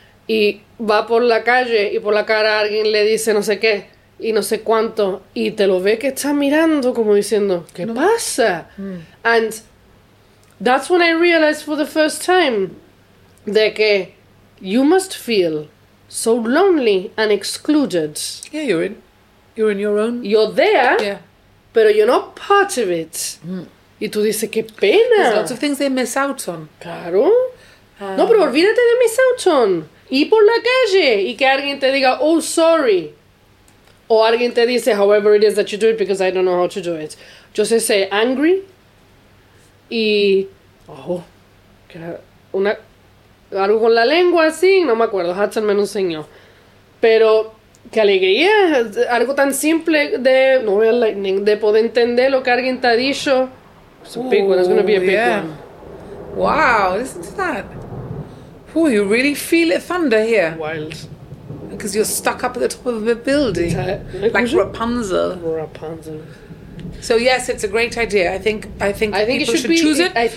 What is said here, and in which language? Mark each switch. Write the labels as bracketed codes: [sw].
[es] Y va por la calle y por la cara alguien le dice no sé qué y no sé cuánto. Y te lo ve que está mirando como diciendo, ¿qué pasa? [en] And that's when I realized for the first time [es] de que [en] you must feel so lonely and excluded. Yeah, you're in your own. You're there, yeah. [es] Pero [en] you're not part of it. [es] Y tú dices, ¡qué pena! [en] There's lots of things they miss out on. [es] Claro. No, pero olvídate de [en] miss out on. [es] Y por la calle, y que alguien te diga, oh, sorry. O alguien te dice, [en] however it is that you do it, because I don't know how to do it. [es] Yo sé, [en] say angry, [es] y... Oh, que una... Algo con la lengua, así, no me acuerdo, Hudson me lo enseñó. Pero, qué alegría, algo tan simple de... No veo lightning, de poder entender lo que alguien te ha dicho. [en] It's a big one, it's going to be a big one. Wow, listen to that. Oh, you really feel it thunder here. Wild. Because you're stuck up at the top of a building. Like Rapunzel. Rapunzel. So yes, it's a great idea. I think people should choose it.